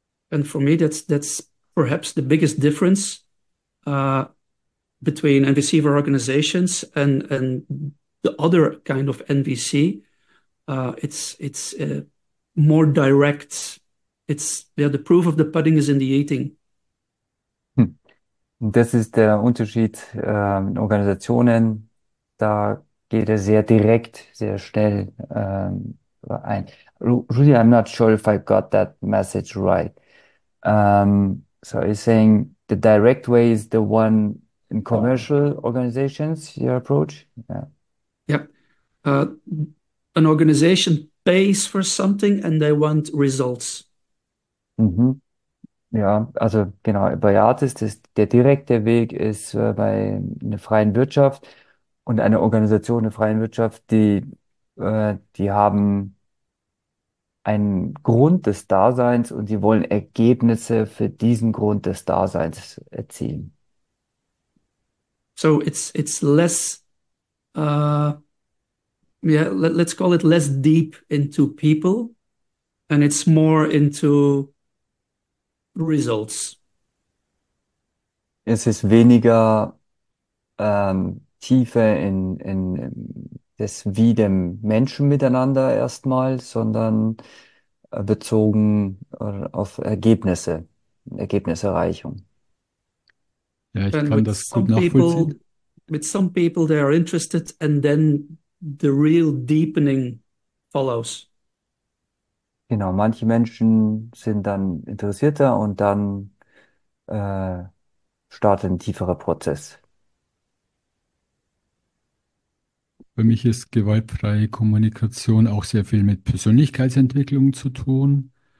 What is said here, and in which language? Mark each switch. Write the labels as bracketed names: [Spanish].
[English] And for me, that's perhaps the biggest difference. between NVCV organizations and the other kind of NVC. It's more direct. The proof of the pudding is in the eating. [German] Das ist der Unterschied in Organisationen. Da geht es sehr direkt, sehr schnell ein. [English] Rudy, I'm not sure if I got that message right. So he's saying the direct way is the one in commercial organizations, your approach? Yeah. An organization pays for something and they want results. [German] Ja, also genau, bei Artis, der direkte Weg ist bei einer freien Wirtschaft und einer Organisation der freien Wirtschaft, die haben einen Grund des Daseins und die wollen Ergebnisse für diesen Grund des Daseins erzielen. [English] So it's less let's call it less deep into people, and it's more into results. [German] Es ist weniger Tiefe in das wie dem Menschen miteinander erstmal, sondern bezogen auf Ergebnisse, Ergebniserreichung. Ja, ich [English] And [German] kann das gut [English] some people, [German] nachvollziehen. [English] they are interested, and then the real deepening follows. [German] Genau, manche Menschen sind dann interessierter und dann startet ein tieferer Prozess. Für mich ist gewaltfreie Kommunikation auch sehr viel mit Persönlichkeitsentwicklung zu tun.